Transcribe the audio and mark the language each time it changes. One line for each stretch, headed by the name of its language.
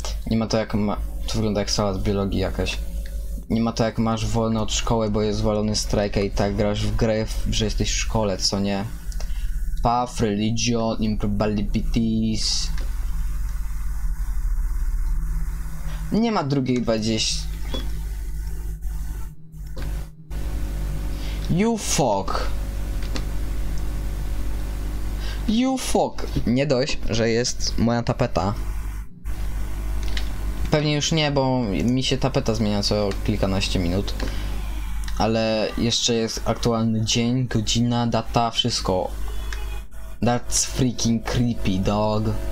Polish: Nie ma to jak ma... To wygląda jak sala z biologii jakaś. Nie ma to jak masz wolne od szkoły, bo jest zwalony strajk i tak grasz w grę, że jesteś w szkole, co nie?
English: Path, religion, improbabilities.
Polish: Nie ma drugiej 20.
English: You fuck. You fuck.
Polish: Nie dość, że jest moja tapeta. Pewnie już nie, bo mi się tapeta zmienia co kilkanaście minut. Ale jeszcze jest aktualny dzień, godzina, data, wszystko.
English: That's freaking creepy, dog.